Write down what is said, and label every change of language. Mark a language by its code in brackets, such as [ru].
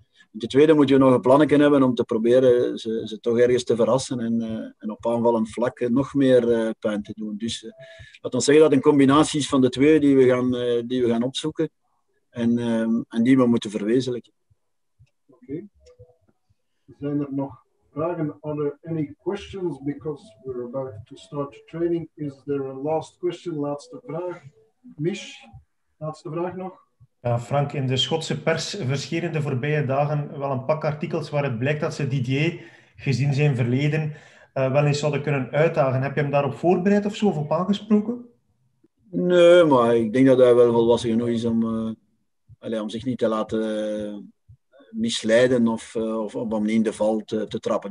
[nl] De tweede moet je nog een plannetje hebben om te proberen ze toch ergens te verrassen en op aanvallend vlak nog meer pijn te doen. Dus laat ons zeggen dat een combinatie is van de twee die we gaan opzoeken en die we moeten verwezenlijken. Oké. Zijn er nog vragen? [en] Are there any questions? Because we're about to start training. Is there a last question? [nl] Laatste vraag. Mish, laatste vraag nog? Ja, Frank, in de Schotse pers verschenen de voorbije dagen wel een pak artikels waaruit blijkt dat ze Didier, gezien zijn verleden, wel eens zouden kunnen uitdagen. Heb je hem daarop voorbereid of zo, of op aangesproken? Nee, maar ik denk dat hij wel volwassen genoeg is om zich niet te laten misleiden of om in de val te trappen.